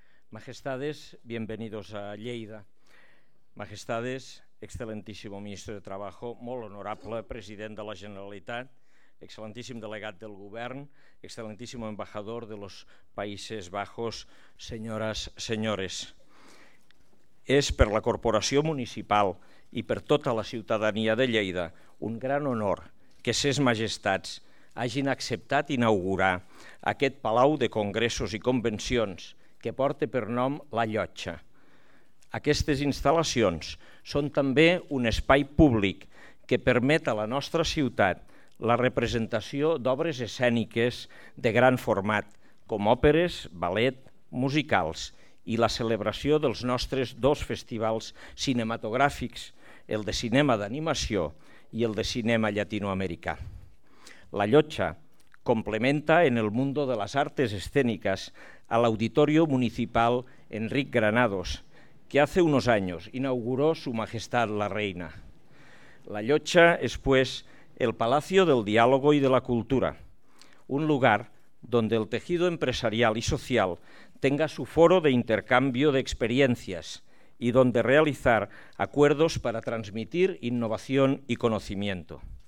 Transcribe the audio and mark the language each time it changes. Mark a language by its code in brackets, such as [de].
[es] Majestades, bienvenidos a Lleida. Majestades, excelentísimo ministro de Trabajo, [ca] molt honorable president de la Generalitat, [es] excelentísimo delegat del Govern, excelentísimo embajador de los Países Bajos, señoras, señores. [ca] És per la Corporació Municipal i per tota la ciutadania de Lleida un gran honor que ses majestats hagin acceptat inaugurar aquest Palau de Congressos i Convencions que porta per nom La Llotja. Aquestes instal·lacions són també un espai públic que permet a la nostra ciutat la representació d'obres escèniques de gran format, com òperes, ballet, musicals i la celebració dels nostres dos festivals cinematogràfics, el de cinema d'animació i el de cinema llatinoamericà. [es] La Llotja complementa en el mundo de les artes escèniques a l'Auditorio Municipal Enric Granados, que hace unos años inauguró su majestad la reina. La Llotja es pues el Palacio del Diálogo y de la Cultura, un lugar donde el tejido empresarial y social tenga su foro de intercambio de experiencias y donde realizar acuerdos para transmitir innovación y conocimiento.